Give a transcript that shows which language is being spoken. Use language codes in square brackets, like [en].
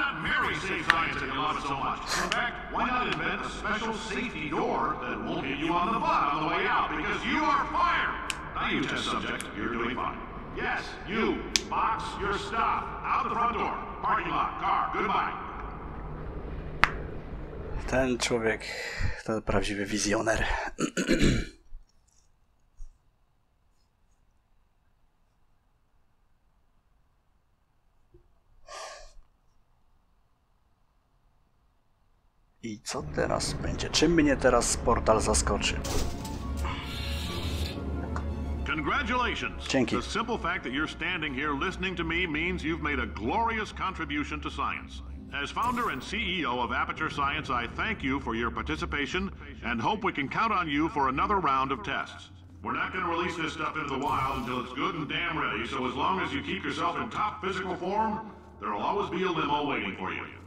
[en] Mary saves science and you love it so much. In fact, why not invent a special safety door that won't hit you on the butt on the way out because you are fire! Now you test subject, you're doing fine. Yes, you, box your stuff, out the front door, parking lot, car, goodbye. [pl] Ten człowiek to prawdziwy wizjoner. I co teraz będzie? Czym mnie teraz portal zaskoczy? [en] Congratulations. [pl] Dzięki. [en] The simple fact that you're standing here listening to me means you've made a glorious contribution to science. As founder and CEO of Aperture Science, I thank you for your participation and hope we can count on you for another round of tests. We're not going to release this stuff into the wild until it's good and damn ready, so as long as you keep yourself in top physical form, there'll always be a limo waiting for you.